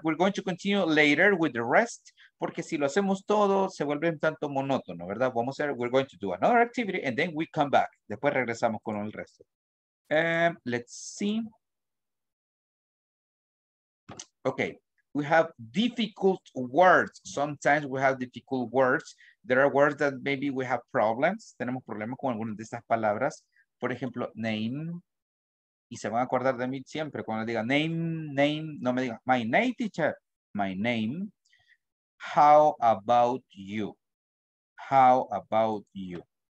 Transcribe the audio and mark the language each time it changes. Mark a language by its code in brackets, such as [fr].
[en] We're going to continue later with the rest. [es] Porque si lo hacemos todo, se vuelve un tanto monótono, ¿verdad? [en] We're going to do another activity and then we come back. [es] Después regresamos con el resto. [en] Let's see. Okay. We have difficult words. Sometimes we have difficult words. There are words that maybe we have problems. [es] Tenemos problemas con algunas de estas palabras. Por ejemplo, name. Y se van a acordar de mí siempre cuando diga name. No me diga [en] my name, teacher. My name. How about you? How about you?